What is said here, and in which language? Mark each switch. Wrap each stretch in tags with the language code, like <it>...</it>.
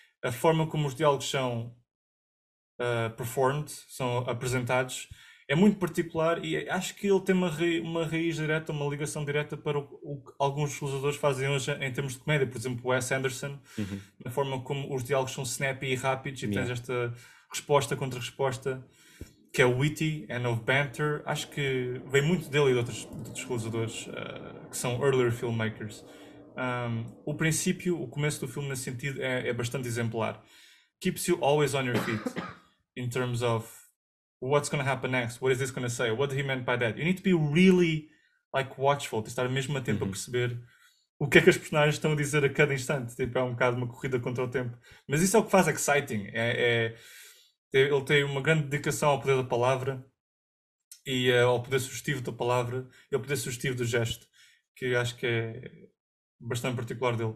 <pt>A forma como os diálogos são performed, são apresentados, é muito particular e acho que ele tem uma raiz direta, uma ligação direta para o que alguns realizadores fazem hoje em termos de comédia. Por exemplo, o Wes Anderson, na forma como os diálogos são snappy e rápidos e tens esta resposta contra resposta, que é o</pt> <en>witty and of banter,</en> <pt>acho que vem muito dele e de outros realizadores, que são</pt> <en>earlier filmmakers.</en> <pt>O princípio, o começo do filme nesse sentido é bastante exemplar.</pt> <en>Keeps you always on your feet, in terms of what's gonna happen next, what is this gonna say, what did he meant by that. You need to be really like watchful,</en> <pt>de estar mesmo atento a perceber o que é que as personagens estão a dizer a cada instante. Tipo, é um bocado uma corrida contra o tempo. Mas isso é o que faz exciting. Ele tem uma grande dedicação ao poder da palavra e ao poder sugestivo da palavra e ao poder sugestivo do gesto, que acho que é bastante particular dele.</pt>